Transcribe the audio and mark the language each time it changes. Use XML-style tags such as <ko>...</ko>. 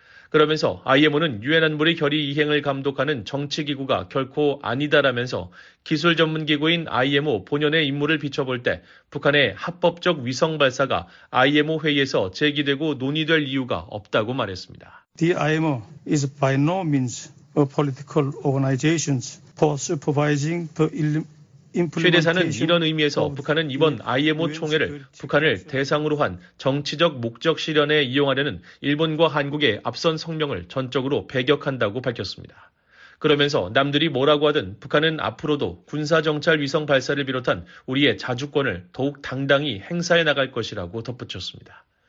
<ko>그러면서 IMO는 유엔 안보리 결의 이행을 감독하는 정치기구가 결코 아니다라면서 기술 전문기구인 IMO 본연의 임무를 비춰볼 때 북한의 합법적 위성 발사가 IMO 회의에서 제기되고 논의될 이유가 없다고 말했습니다.</ko> <en>The IMO is by no means a political organization for supervising the implementation.</en> <ko>최 대사는 이런 의미에서 북한은 이번 IMO 총회를 북한을 대상으로 한 정치적 목적 실현에 이용하려는 일본과 한국의 앞선 성명을 전적으로 배격한다고 밝혔습니다. 그러면서 남들이 뭐라고 하든 북한은 앞으로도 군사정찰 위성 발사를 비롯한 우리의 자주권을 더욱 당당히 행사해 나갈 것이라고 덧붙였습니다.</ko>